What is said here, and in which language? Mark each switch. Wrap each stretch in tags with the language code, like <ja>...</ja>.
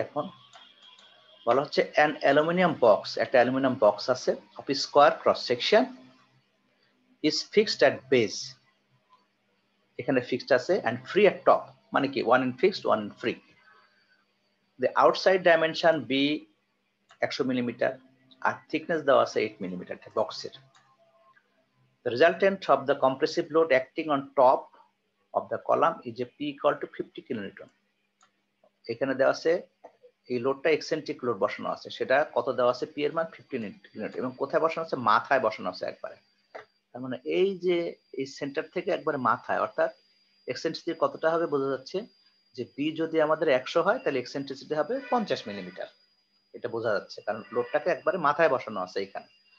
<bn>এখন বলা হচ্ছে</bn> <en>an aluminium box,</en> <bn>একটা অ্যালুমিনিয়াম বক্স আছে</bn> <en>of square cross section is fixed at base,</en> <bn>এখানে ফিক্সড আছে,</bn> <en>and free at top,</en> <bn>মানে কি</bn> <en>one in fixed one in free, the outside dimension be 100 millimetre</en> <bn>আর thickness দেওয়া আছে 8 millimetre বক্সের।</bn> <en>The resultant of the compressive load acting on top of the column is a P equal to 50 kN.</en> <bn>এখানে দেওয়া আছে এই লোডটা eccentric load বসানো আছে, সেটা কত দেওয়া আছে, পি এর মান 50 kN, এবং কোথায় বসানো আছে, মাথায় বসানো আছে একবারে, তার মানে এই যে এই সেন্টার থেকে একবারে মাথায়, অর্থাৎ এক্সেন্ট্রিসিটি কতটা হবে বোঝা যাচ্ছে, যে পি যদি আমাদের 100 হয় তাহলে এক্সেন্ট্রিসিটি হবে 50 মিলিমিটার, এটা বোঝা যাচ্ছে, কারণ লোডটাকে একবারে মাথায় বসানো আছে এখানে।</bn>